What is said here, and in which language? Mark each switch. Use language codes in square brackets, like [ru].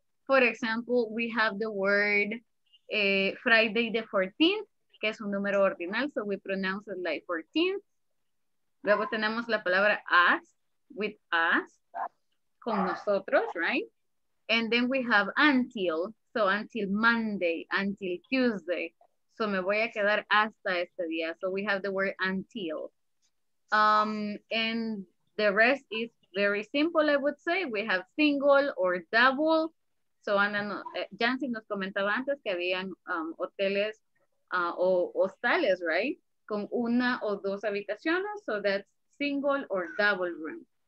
[en] For example, we have the word Friday the 14th, [es] que es un número ordinal, [en] so we pronounce it like 14th. [es] Luego tenemos la palabra as, [en] with us, [es] con nosotros, right? [en] And then we have until, so until Monday, until Tuesday. [es] So me voy a quedar hasta este día. [en] So we have the word until. And the rest is very simple, I would say. We have single or double. [es] So Ana, Jancy nos comentaba antes que habían hoteles o hostales, right? Con una o dos habitaciones. [en] So that's single or double room.